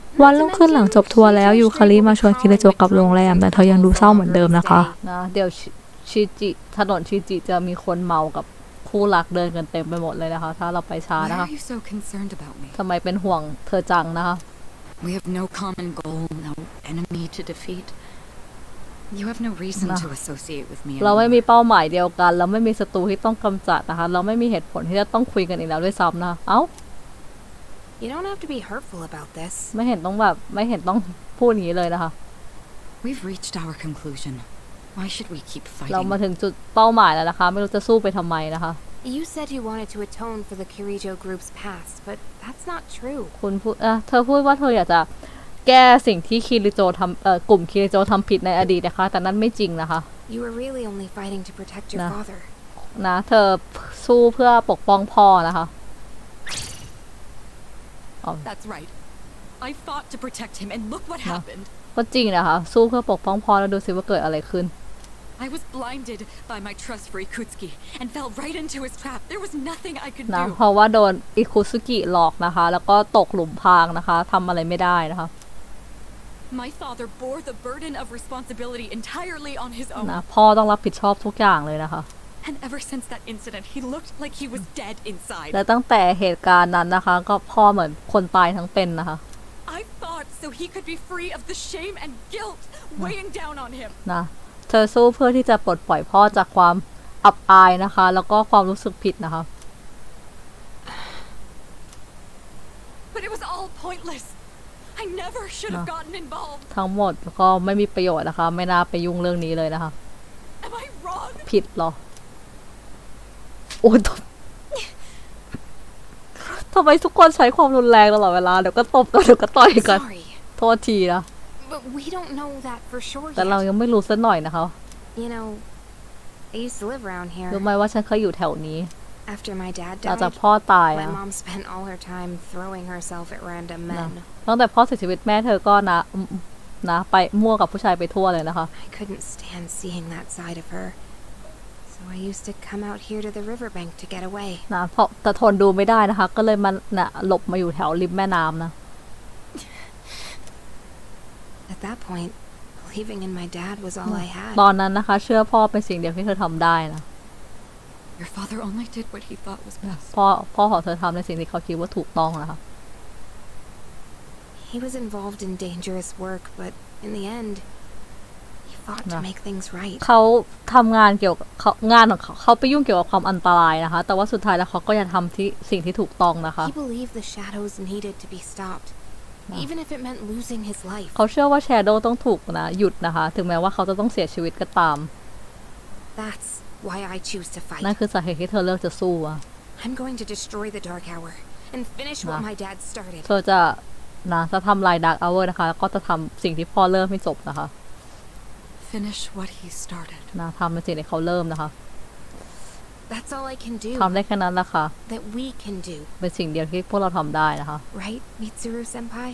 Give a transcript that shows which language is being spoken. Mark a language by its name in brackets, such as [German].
[Thai] วันรุ่งขึ้นหลังจบทัวร์แล้วยูคาริมาชวนคิริโจกลับโรงแรมแต่เธอยังดูเศร้าเหมือนเดิมนะคะ นะเดี๋ยวชิจิถนนชิจิจะมีคนเมากับคู่รักเดินกันเต็มไปหมดเลยนะคะถ้าเราไปช้านะคะทำไมเป็นห่วงเธอจังนะคะ [English] We have no common goal, no enemy to defeat. You have no reason to associate with me. [Thai] เราไม่มีเป้าหมายเดียวกันเราไม่มีศัตรูที่ต้องกำจัดนะคะเราไม่มีเหตุผลที่จะต้องคุยกันอีกแล้วด้วยซ้ำนะเอ้า [English] You don't have to be hurtful about this. [Thai] ไม่เห็นต้องแบบไม่เห็นต้องพูดอย่างนี้เลยนะคะ [English] We've reached our conclusion. Why should we keep fighting? [Thai] เรามาถึงจุดเป้าหมายแล้วนะคะไม่รู้จะสู้ไปทำไมนะคะ [English] You said you wanted to atone for the Kirijo group's past, but that's not true. [Thai] คุณพูดเธอพูดว่าเธออยากจะแก้สิ่งที่คิริโจทำกลุ่มคิริโจทำผิดในอดีตนะคะแต่นั้นไม่จริงนะคะ [English] You were really only fighting to protect your father. [Thai] นะเธอสู้เพื่อปกป้องพ่อนะคะ [English] That's right. I fought to protect him and look what happened. [Thai] ก็จริงนะคะสู้เพื่อปกป้องพ่อแล้วดูสิว่าเกิดอะไรขึ้น [English] I was blinded by my trust for Ikutsuki and fell right into his trap. There was nothing I could do. [Thai] นะเพราะว่าโดนอิคุสุกิหลอกนะคะแล้วก็ตกหลุมพรางนะคะทำอะไรไม่ได้นะคะ [English] My father bore the burden of responsibility entirely on his own. [Thai] นะพ่อต้องรับผิดชอบทุกอย่างเลยนะคะ [English] And ever since that incident, he looked like he was dead inside. [Thai] และตั้งแต่เหตุการณ์นั้นนะคะก็พ่อเหมือนคนตายทั้งเป็นนะคะ [English] I fought so he could be free of the shame and guilt weighing down on him. [Thai] นะเธอสู้เพื่อที่จะปลดปล่อยพ่อจากความอับอายนะคะแล้วก็ความรู้สึกผิดนะคะ [English] But it was all pointless. I never should have gotten involved. [Thai] ทั้งหมดก็ไม่มีประโยชน์นะคะไม่น่าไปยุ่งเรื่องนี้เลยนะคะ [English] Am I wrong? [Thai] ผิดเหรอโอ้ ทำไมทุกคนใช้ความรุนแรงตลอดเวลาเดี๋ยวก็ตบกันเดี๋ยวก็ต่อยกันโทษทีนะ [English] But we don't know that for sure. [Thai] แต่เรายังไม่รู้สักหน่อยนะคะ [English] You know, I used to live around here. [Thai] รู้ไหมว่าฉันเคยอยู่แถวนี้ [English] After my dad died. [Thai] หลังจากพ่อตาย [English] อ่ะ My mom spent all her time throwing herself at random men. [Thai] ตั้งแต่พ่อเสียชีวิตแม่เธอก็นะไปมั่วกับผู้ชายไปทั่วเลยนะคะ [English] I couldn't stand seeing that side of her. So I used to come out here to the riverbank to get away. [Thai] นะเพราะแต่ทนดูไม่ได้นะคะก็เลยมาน่ะหลบมาอยู่แถวริมแม่น้ำนะ [English] At that point, believing in my dad was all I had. [Thai] ตอนนั้นนะคะเชื่อพ่อเป็นสิ่งเดียวที่เธอทำได้นะ [English] Your father only did what he thought was best. [Thai] พ่อของเธอทำในสิ่งที่เขาคิดว่าถูกต้องนะคะ [English] He was involved in dangerous work, but in the end, he fought to make things right. [Thai] เขาทำงานเกี่ยวกับงานของเขาไปยุ่งเกี่ยวกับความอันตรายนะคะแต่ว่าสุดท้ายแล้วเขาก็ยังทำที่สิ่งที่ถูกต้องนะคะ [English] He believed the shadows needed to be stoppedeven if it meant losing his life [Thai] เขาเชื่อว่าแชโดว์ต้องถูกนะหยุดนะคะถึงแม้ว่าเขาจะต้องเสียชีวิตก็ตาม [English] That's why I choose to fight [Thai] นั่นคือสาเหตุที่เธอเลือกจะสู้ [English] อ่ะ I'm going to destroy the dark hour and finish what my dad started [Thai] เธอจะนะจะทำลาย dark hour นะคะแล้วก็จะทำสิ่งที่พ่อเริ่มให้จบนะคะ [English] finish what he started [Thai] นะทำในสิ่งที่เขาเริ่มนะคะ [English] That's all I can do [Thai] ทำได้แค่นั้นละค่ะ [English] That we can do [Thai] เป็นสิ่งเดียวที่พวกเราทำได้นะคะ [English] Right Mitsuru-senpai